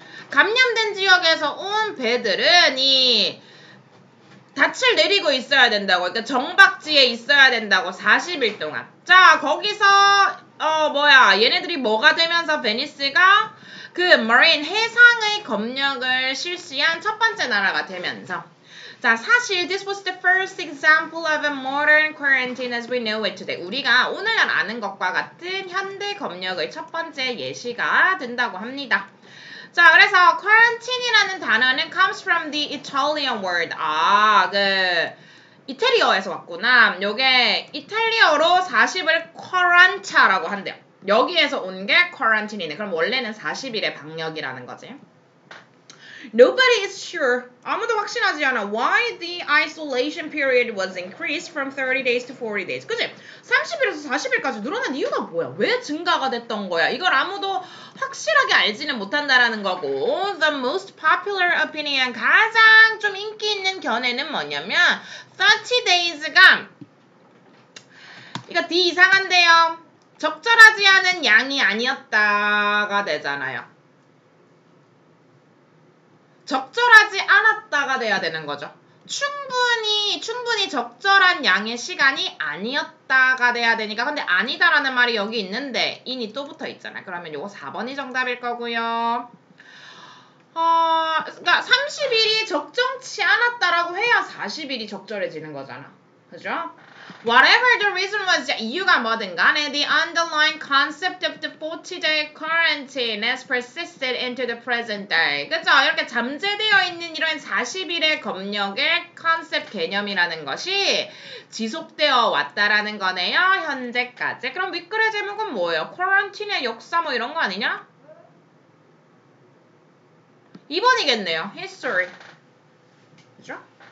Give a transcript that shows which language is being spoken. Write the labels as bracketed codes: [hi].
[ko] 감염된 지역에서 온 배들은 이 닻을 내리고 있어야 된다고, 그러니까 정박지에 있어야 된다고, 40일 동안. 자, 거기서 얘네들이 뭐가 되면서 베니스가 그 마린 해상의 검역을 실시한 첫 번째 나라가 되면서. 자, 사실 [en] this was the first example of a modern quarantine as we know it today. [ko] 우리가 오늘 아는 것과 같은 현대 검역의 첫 번째 예시가 된다고 합니다. 자, 그래서 quarantine이라는 단어는 [en] comes from the Italian word. [ko] 아, 그 이태리어에서 왔구나. 요게 이탈리어로 40을 quaranta라고 한대요. 여기에서 온 게 quarantine이네. 그럼 원래는 40일의 방역이라는 거지. [en] Nobody is sure. [ko] 아무도 확신하지 않아. [en] Why the isolation period was increased from 30 days to 40 days. [ko] 그치? 30일에서 40일까지 늘어난 이유가 뭐야? 왜 증가가 됐던 거야? 이걸 아무도 확실하게 알지는 못한다라는 거고. [en] The most popular opinion, [ko] 가장 좀 인기 있는 견해는 뭐냐면 30 days가 이거 D 이상한데요. 적절하지 않은 양이 아니었다가 되잖아요. 적절하지 않았다가 돼야 되는 거죠. 충분히 적절한 양의 시간이 아니었다가 돼야 되니까. 근데 아니다라는 말이 여기 있는데 in이 또 붙어 있잖아. 그러면 이거 4번이 정답일 거고요. 그러니까 30일이 적정치 않았다라고 해야 40일이 적절해지는 거잖아. 그죠? [en] Whatever the reason was, [ko] 이유가 뭐든 간에 [en] the underlying concept of the 40-day quarantine has persisted into the present day. [ko] 그쵸? 이렇게 잠재되어 있는 이런 40일의 검역의 컨셉 개념이라는 것이 지속되어 왔다라는 거네요. 현재까지. 그럼 윗글의 제목은 뭐예요? 퀄런틴의 역사 뭐 이런 거 아니냐? 2번이겠네요. History. 그죠?